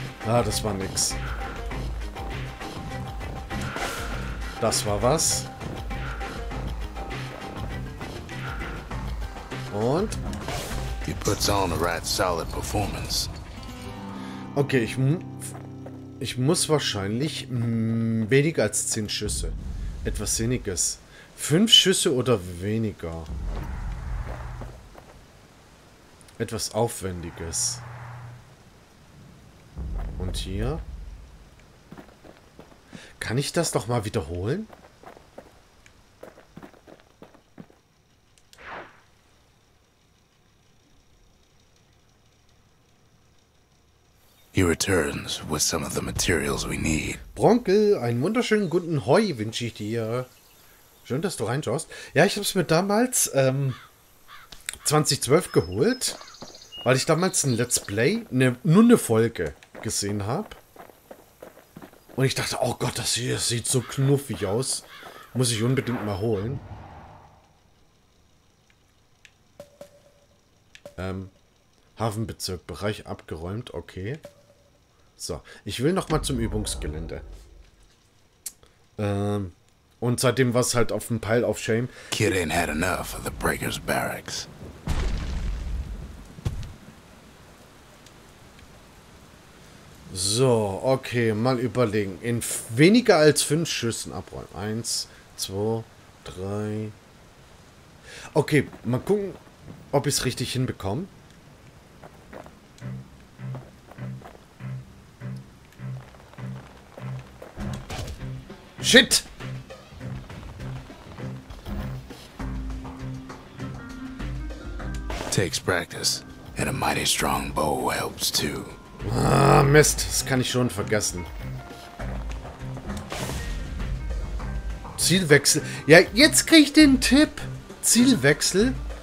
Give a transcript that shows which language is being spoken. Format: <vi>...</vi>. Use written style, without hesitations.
<de>Ah, das war nix. Das war was? Und?</de> <en>He puts on a right solid performance.</en> <de>Okay, ich muss wahrscheinlich weniger als 10 Schüsse. Etwas Sinniges. 5 Schüsse oder weniger. Etwas Aufwendiges. Und hier? Kann ich das nochmal wiederholen?</de> <en>He returns with some of the materials we need.</en> <de>Bronkel, einen wunderschönen guten Hoi wünsche ich dir. Schön, dass du reinschaust. Ja, ich habe es mir damals 2012 geholt, weil ich damals ein Let's Play, nur eine Folge gesehen habe. Und ich dachte, oh Gott, das hier sieht so knuffig aus. Muss ich unbedingt mal holen. Hafenbezirk, Bereich abgeräumt, okay. So, ich will nochmal zum Übungsgelände. Und seitdem war es halt auf dem</de> <en>Pile of Shame. Kid ain't had enough of the Breakers Barracks.</en> <de>So, okay, mal überlegen. In weniger als 5 Schüssen abräumen. 1, 2, 3. Okay, mal gucken, ob ich es richtig hinbekomme.</de> <en>Shit! Takes practice. And a mighty strong bow helps too.</en> <de>Ah, Mist, das kann ich schon vergessen. Zielwechsel. Ja, jetzt kriege ich den Tipp. Zielwechsel.</de>